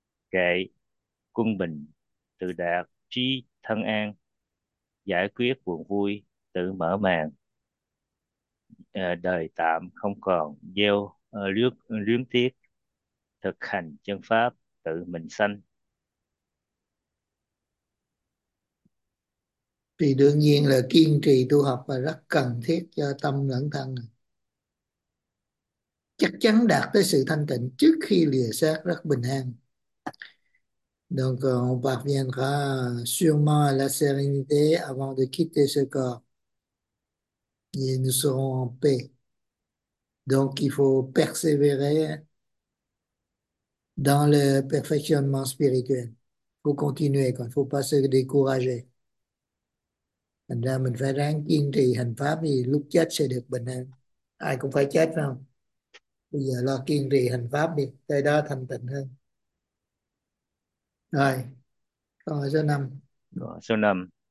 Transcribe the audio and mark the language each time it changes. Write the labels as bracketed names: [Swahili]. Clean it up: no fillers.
[Vietnamese] Kệ, quân bình tự đạt trí thân an, giải quyết buồn vui tự mở màn, đời tạm không còn gieo luyến tiếc, thực hành chân pháp tự mình sanh. Thì đương nhiên là kiên trì tu học là rất cần thiết cho tâm lẫn thân, chắc chắn đạt tới sự thanh tịnh trước khi lìa xác rất bình an. [French] Donc on parviendra sûrement à la sérénité avant de quitter ce corps et nous serons en paix. Donc il faut persévérer dans le perfectionnement spirituel. Il faut continuer, il ne faut pas se décourager. [Vietnamese] Thành ra mình phải ráng kiên trì hành pháp thì lúc chết sẽ được bình an. Ai cũng phải chết không? Bây giờ lo kiên trì hành pháp đi, tới đó thanh tịnh hơn. Rồi, câu số 5. Số 5.